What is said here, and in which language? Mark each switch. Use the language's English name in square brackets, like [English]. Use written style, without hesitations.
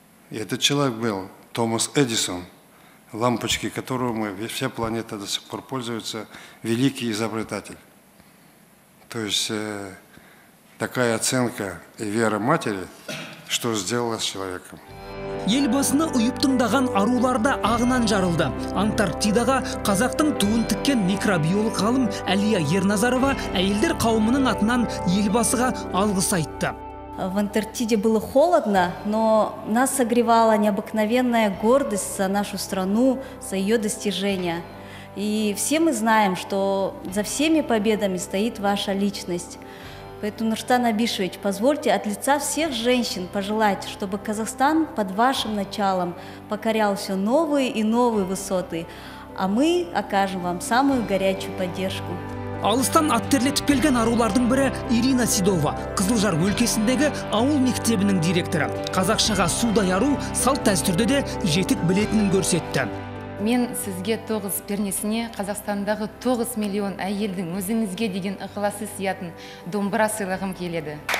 [Russian] И этот человек был Томас Эдисон. Лампочки, которую мы, вся планета до сих пор пользуется, великий изобретатель. То есть такая оценка и вера матери, что сделала с человеком. [Kazakh] Елбасыны ұйып тыңдаған аруларда ағынан жарылды. Антарктидаға қазақтың туын тіккен микробиолог ғалым Әлия Ерназарова әйелдер қауымының атынан елбасыға алғыс айтты. [Russian] В Антарктиде было холодно, но нас согревала необыкновенная гордость за нашу страну, за ее достижения. И все мы знаем, что за всеми победами стоит ваша личность. Поэтому, Нурсултан Абишевич, позвольте от лица всех женщин пожелать, чтобы Казахстан под вашим началом покорял все новые и новые высоты, а мы окажем вам самую горячую поддержку. [Kazakh] Алыстан аттерлетіп келген арулардың бірі Ирина Сидова, Қызылжар өлкесіндегі ауыл мектебінің директоры. Қазақшаға судай ару салт дәстүрде де жетік білетінін көрсетті. Мен сізге тоғыз пернесіне Қазақстандағы 9 миллион әйелдің өзіңізге деген ықыласы сиятын домбыра сыйлағым келеді.